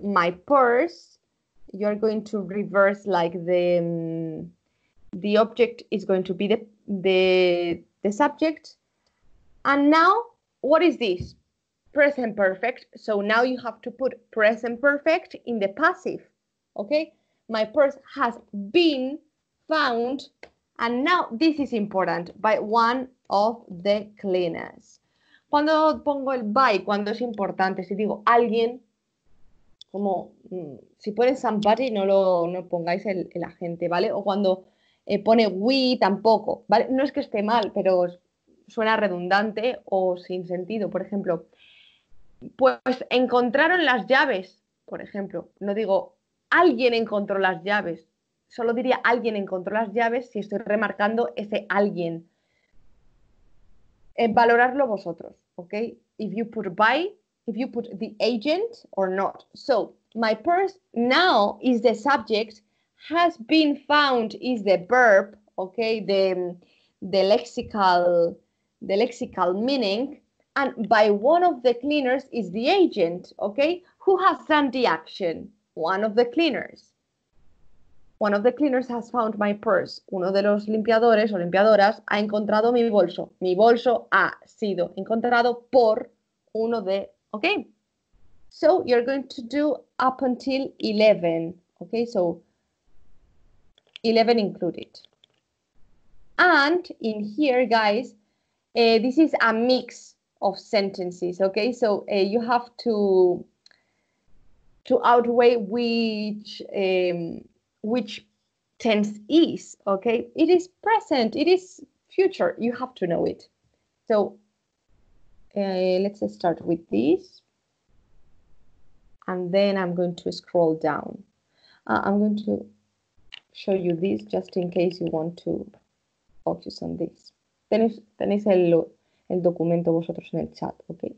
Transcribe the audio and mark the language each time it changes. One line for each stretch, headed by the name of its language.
English: My purse, you're going to reverse like the object is going to be the subject. And now, what is this? present perfect. So now you have to put present perfect in the passive. Okay? My purse has been found. And now this is important, by one of the cleaners.
Spanish: Cuando pongo el by, cuando es importante, si digo alguien, como si pones somebody, no pongáis el agente, ¿vale? O cuando pone we, tampoco, ¿vale? No es que esté mal, pero suena redundante o sin sentido. Por ejemplo, pues encontraron las llaves, por ejemplo. No digo alguien encontró las llaves. Solo diría alguien encontró las llaves si estoy remarcando ese alguien. Valorarlo vosotros,
English: ¿ok? If you put by, if you put the agent or not. So, my purse now is the subject, has been found is the verb, ¿ok? The lexical meaning, and by one of the cleaners is the agent, ¿ok? Who has done the action? One of the cleaners. One of the cleaners has found my purse.
Spanish: Uno de los limpiadores o limpiadoras ha encontrado mi bolso. Mi bolso ha sido encontrado por uno de...
English: ¿Ok? So, you're going to do up until 11. ¿Ok? So, 11 included. And in here, guys, this is a mix of sentences. ¿Ok? So, you have to outweigh which tense is, okay? It is present, it is future, you have to know it. So, let's start with this. And then I'm going to scroll down. I'm going to show you this just in case you want to focus on this.
Spanish: Tenéis el documento vosotros en el chat, okay?